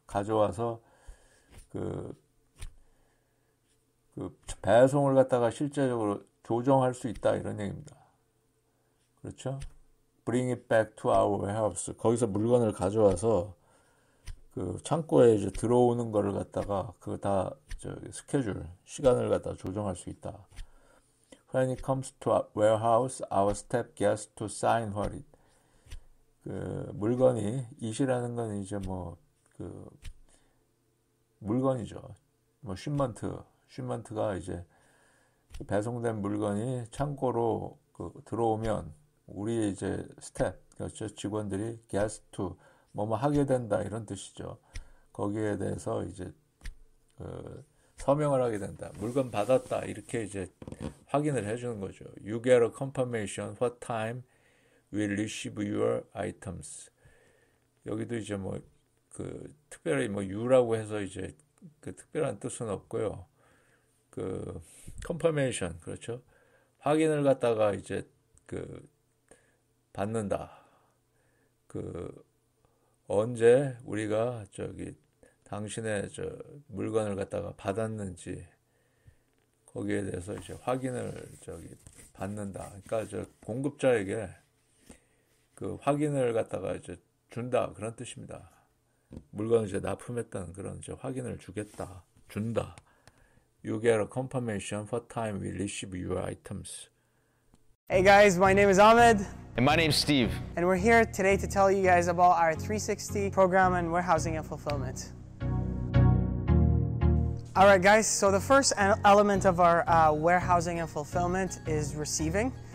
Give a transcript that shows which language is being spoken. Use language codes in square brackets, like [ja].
[ko] 가져와서 그 배송을 갖다가 실제적으로 조정할 수 있다 이런 얘기입니다. 그렇죠? [en] Bring it back to our warehouse. [ko] 거기서 물건을 가져와서 그 창고에 이제 들어오는 거를 갖다가 그거 다저 스케줄 시간을 갖다 조정할 수 있다. [en] When it comes to our warehouse, our staff gets to sign for it. [ko] 그 물건이 이시라는 건 이제 뭐그 물건이죠. 뭐 쉼먼트가 이제 배송된 물건이 창고로 그 들어오면 우리 이제 스태프, 그렇죠? 직원들이 [en] gets to [ko] 뭐뭐 하게 된다 이런 뜻이죠. 거기에 대해서 이제 서명을 하게 된다. 물건 받았다 이렇게 이제 확인을 해주는 거죠. [en] You get a confirmation what time we'll receive your items. [ko] 여기도 이제 뭐그 특별히 뭐 you라고 해서 이제 그 특별한 뜻은 없고요. 그 confirmation, 그렇죠? 확인을 갖다가 이제 그 받는다. 그 언제 우리가 저기 당신의 저 물건을 갖다가 받았는지 거기에 대해서 이제 확인을 저기 받는다. 그러니까 저 공급자에게 그 확인을 갖다가 이제 준다. 그런 뜻입니다. 물건을 이제 납품했다는 그런 이제 확인을 주겠다. 준다. [en] You get a confirmation for time we receive your items. Hey guys, my name is Ahmed. And my name's Steve. And we're here today to tell you guys about our 360 program in warehousing and fulfillment. All right, guys, so the first element of our warehousing and fulfillment is receiving.